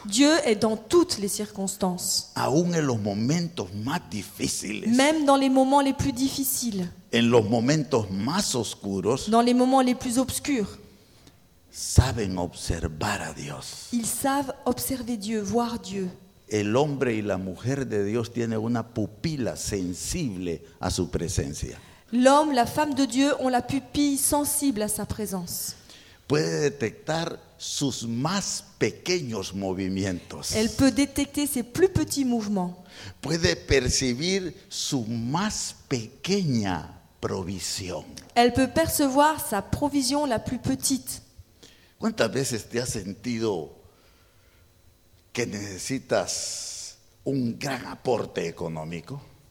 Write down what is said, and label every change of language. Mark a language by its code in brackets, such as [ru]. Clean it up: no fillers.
[fr] Dieu est dans toutes les circonstances. [es] Aún en los momentos más difíciles. [fr] Même dans les moments les plus difficiles. [es] En los momentos más oscuros. [fr] Dans les moments les plus obscurs. [es] Saben observar a Dios. [fr] Ils savent observer Dieu, voir Dieu. [es] El hombre y la mujer de Dios tienen una pupila sensible a su presencia. [fr] L'homme, la femme de Dieu ont la pupille sensible à sa présence. [es] Puede detectar sus más pequeños movimientos. [fr] Elle peut détecter ses plus petits mouvements. [es] Puede percibir su más pequeña provisión. [fr] Elle peut percevoir sa provision la plus petite. [es] ¿Cuántas veces te has sentido que necesitas un gran aporte económico?